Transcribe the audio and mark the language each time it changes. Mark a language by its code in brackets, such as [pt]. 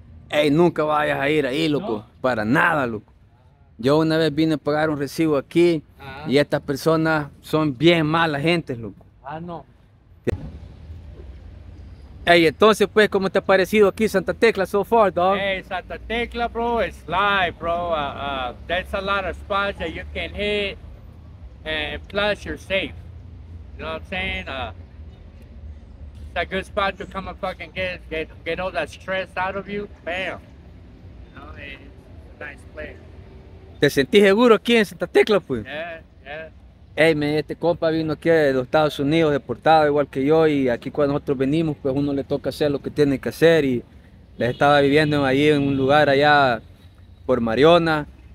[es] Hey, nunca vayas a ir ahí, loco. No. Para nada, loco. Yo una vez vine a pagar un recibo aquí. Ajá. Y estas personas son bien malas gentes, loco. Ah, no. Hey, entonces, pues, ¿cómo te ha parecido aquí Santa Tecla [en] so far, dog? Hey, Santa Tecla, bro, it's live, bro. That's a lot of spots that you can hit. And plus, you're safe. You know what I'm saying? It's a good spot to come and fucking get all that stress out of you. Bam. You know, it's a nice place. [es] ¿Te sentís seguro aquí en Santa Tecla, pues? [en] Yeah, yeah. Hey, man, [es] este compa vino aquí de los Estados Unidos, deportado igual que yo, y aquí cuando nosotros venimos, pues uno le toca hacer lo que tiene que hacer, y les estaba viviendo ahí en un lugar allá por Mariona.